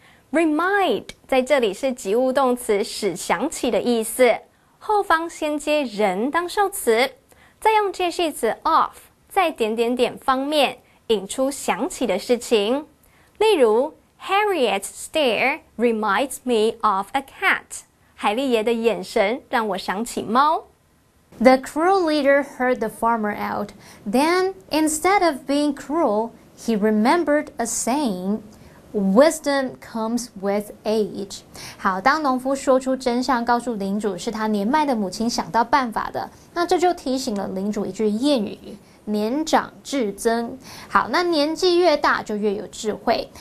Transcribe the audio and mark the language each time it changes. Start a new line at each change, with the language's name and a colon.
Chinese: Remind 在这里是及物动词使想起的意思，后方先接人当受词，再用介系词 of 在点点点方面引出想起的事情。例如
English: Harriet's stare reminds me of a cat.
Chinese: 海莉爷的眼神让我想起猫。
English: The cruel leader heard the farmer out. Then, instead of being cruel, he remembered a saying, wisdom comes with age.
Chinese: 好，当农夫说出真相告诉领主是他年迈的母亲想到办法的，那这就提醒了领主一句谚语。年长智增，好，那年纪越大就越有智慧。